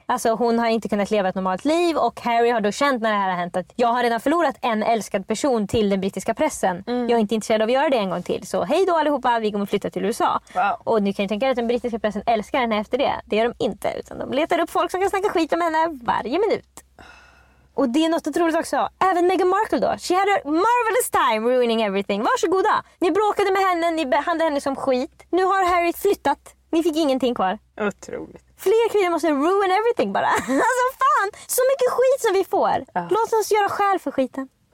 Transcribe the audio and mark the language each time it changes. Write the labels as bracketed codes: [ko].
[sv] Alltså hon har inte kunnat leva ett normalt liv, och Harry har då känt när det här har hänt att jag har redan förlorat en älskad person till den brittiska pressen. Jag är inte intresserad av att göra det en gång till, så hej då allihopa, vi kommer flytta till USA. Och ni kan ju tänka er att den brittiska pressen älskar henne efter det. Det gör de inte, utan de letar upp folk som kan snacka skit om henne varje minut. Och det är något otroligt också. Även Meghan Markle då. [en] "She had a marvelous time ruining everything." [sv] Varsågoda. Ni bråkade med henne, ni behandlade henne som skit. Nu har Harry flyttat. Ni fick ingenting kvar. Otroligt. Fler kvinnor måste [en] ruin everything [sv] bara. Alltså fan, så mycket skit som vi får. Låt oss göra själ för skiten.